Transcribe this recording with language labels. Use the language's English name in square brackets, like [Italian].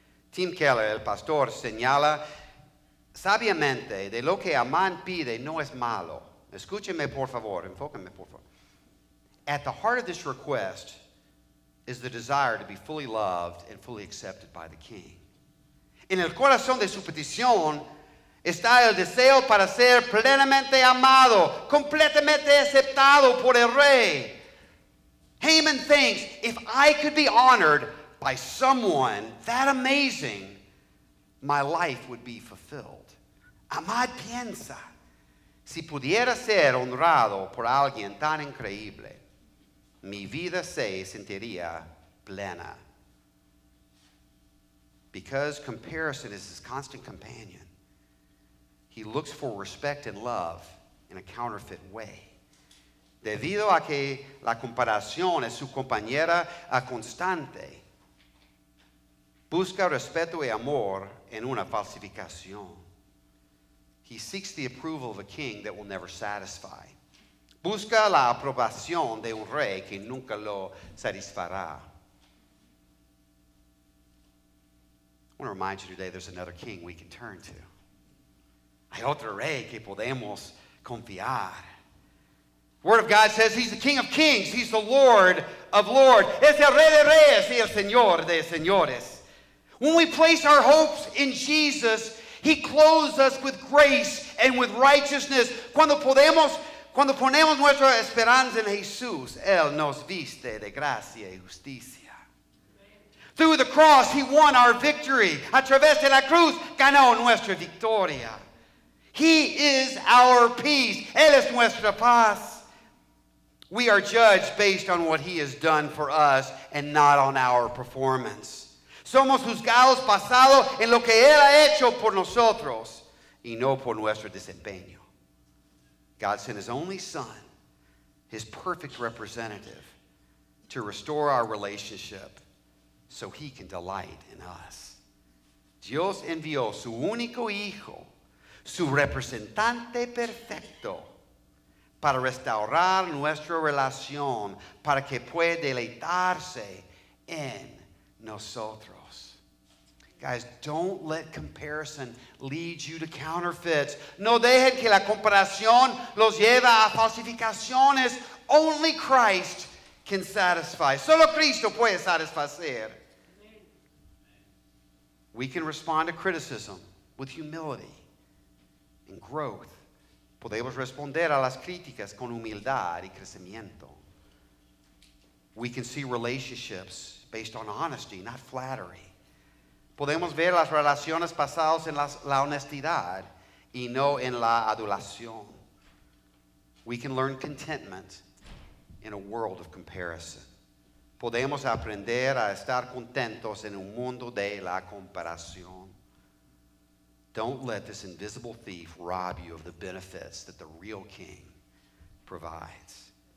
[Spanish] Tim Keller, el pastor, señala sabiamente de lo que Amán pide no es malo. Escúcheme, por favor. Enfóqueme, por favor. [English] At the heart of this request is the desire to be fully loved and fully accepted by the king. [Spanish] En el corazón de su petición está el deseo para ser plenamente amado, completamente aceptado por el rey. [English] Haman thinks, if I could be honored by someone that amazing, my life would be fulfilled. [Spanish] Amad piensa, si pudiera ser honrado por alguien tan increíble, mi vida se sentiría plena. [English] Because comparison is his constant companion, he looks for respect and love in a counterfeit way. [Spanish] Debido a que la comparación es su compañera constante, busca respeto y amor en una falsificación. [English] He seeks the approval of a king that will never satisfy. [Spanish] Busca la aprobación de un rey que nunca lo satisfará. [English] I want to remind you today there's another king we can turn to. [Spanish] Hay otro rey que podemos confiar. [English] Word of God says he's the King of Kings. He's the Lord of Lords. [Spanish] Es el Rey de Reyes y el Señor de Señores. [English] When we place our hopes in Jesus, he clothes us with grace and with righteousness. [Spanish] Cuando ponemos nuestra esperanza en Jesús, Él nos viste de gracia y justicia. [English] Through the cross, he won our victory. [Spanish] A través de la cruz, ganó nuestra victoria. [English] He is our peace. [Spanish] Él es nuestra paz. [English] We are judged based on what he has done for us and not on our performance. [Spanish] Somos juzgados basado en lo que él ha hecho por nosotros y no por nuestro desempeño. [English] God sent his only son, his perfect representative, to restore our relationship so he can delight in us. [Spanish] Dios envió su único hijo, su representante perfecto, para restaurar nuestra relación, para que pueda deleitarse en nosotros. [English] Guys, don't let comparison lead you to counterfeits. [Spanish] No dejen que la comparación los lleve a falsificaciones. [English] Only Christ can satisfy. [Spanish] Solo Cristo puede satisfacer. [English] We can respond to criticism with humility and growth. [Spanish] Podemos responder a las críticas con humildad y crecimiento. [English] We can see relationships based on honesty, not flattery. [Spanish] Podemos ver las relaciones basadas en la honestidad y no en la adulación. [English] We can learn contentment in a world of comparison. [Spanish] Podemos aprender a estar contentos en un mundo de la comparación. [English] Don't let this invisible thief rob you of the benefits that the real king provides.